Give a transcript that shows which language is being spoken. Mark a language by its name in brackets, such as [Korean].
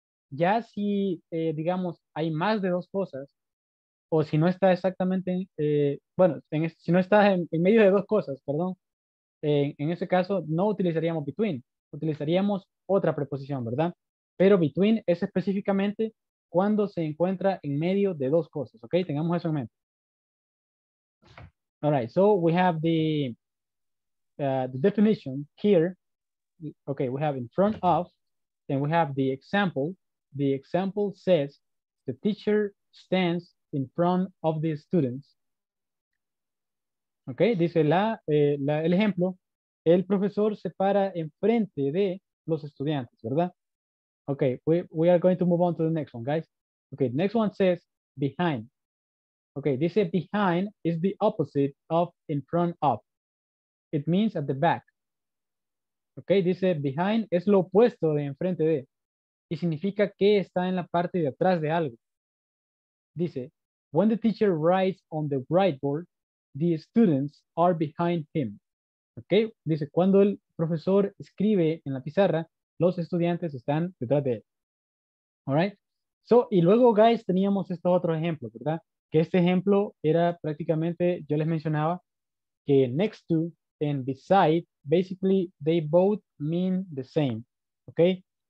[Spanish] Ya si, digamos, hay más de dos cosas, o si no está exactamente, si no está en medio de dos cosas, perdón, en ese caso no utilizaríamos between, utilizaríamos otra preposición, ¿verdad? Pero between es específicamente cuando se encuentra en medio de dos cosas, ¿ok? Tengamos eso en mente. [English] All right, so we have the definition here. Okay, we have in front of, and we have the example. The example says the teacher stands in front of the students. [Spanish] Okay, dice el ejemplo. El profesor se para enfrente de los estudiantes, ¿verdad? [English] Okay, we are going to move on to the next one, guys. Okay, next one says behind. Okay, dice behind is the opposite of in front of. It means at the back. [Spanish] Okay, dice behind es lo opuesto de enfrente de. Y significa que está en la parte de atrás de algo. [English] Dice, when the teacher writes on the whiteboard, the students are behind him. [Spanish] Okay, dice, cuando el profesor escribe en la pizarra, los estudiantes están detrás de él. Alright. So, y luego, guys, teníamos estos otros ejemplos, ¿verdad? Que este ejemplo era prácticamente, yo les mencionaba, que [English] next to and beside, basically, they both mean the same. Okay.